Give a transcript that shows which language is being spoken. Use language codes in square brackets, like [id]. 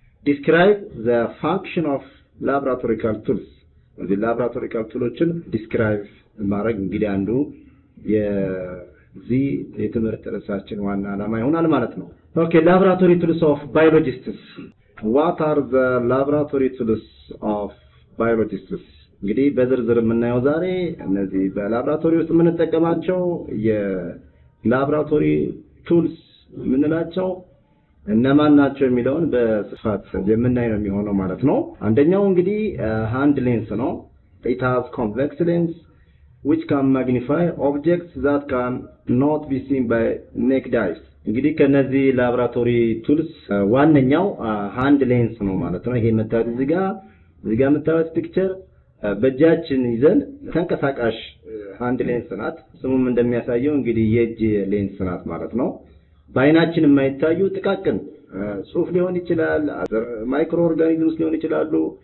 [en] describe the function of laboratorical tools [am] the laboratorical toolsን describe ማድረግ እንግዲህ አንዱ የዚህ የትምህርት ርዕሳችን ዋና አላማ ይሆናል ማለት ነው [en] Okay, laboratory tools of biologists. What are the laboratory tools of biologists? [am] ግዲ በዝርዝር የምናየው ዛሬ እነዚህ በላብራቶሪ ውስጥ ምን ተጠቀማቸው የላብራቶሪ tools ምንላቸው እነማን ናቸው የሚለውን በስፋት የምናየው የሚሆነው ማለት ነው። አንደኛው እንግዲህ hand lens ነው. [en] It has convex lens which can magnify objects that can not be seen by naked eyes. [am] እንግዲህ ከነዚህ ላብራቶሪ ቱልስ ዋንኛው ሃንድ ሌንስ ነው ማለት ነው። ይሄ መታየት እዚህ ጋር መታየት ፒክቸር በጃችን ይዘን ተንቀሳቃሽ ሃንድ ሌንስ ናት። ስሙም እንደሚያሳየው እንግዲህ የጅ ሌንስ ናት ማለት ነው። ባይናችን የማይታዩ ጥቃቅን ጽሁፍ ሊሆን ይችላል፣ ማይክሮ ኦርጋኒዝምስ ሊሆን ይችላሉ።